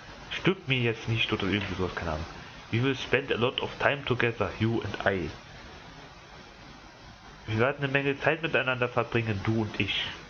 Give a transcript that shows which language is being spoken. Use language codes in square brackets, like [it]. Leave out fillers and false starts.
[de] Stirb mir jetzt nicht oder irgendwie sowas, keine Ahnung. [en] We will spend a lot of time together, you and I. [de] Wir werden eine Menge Zeit miteinander verbringen, du und ich.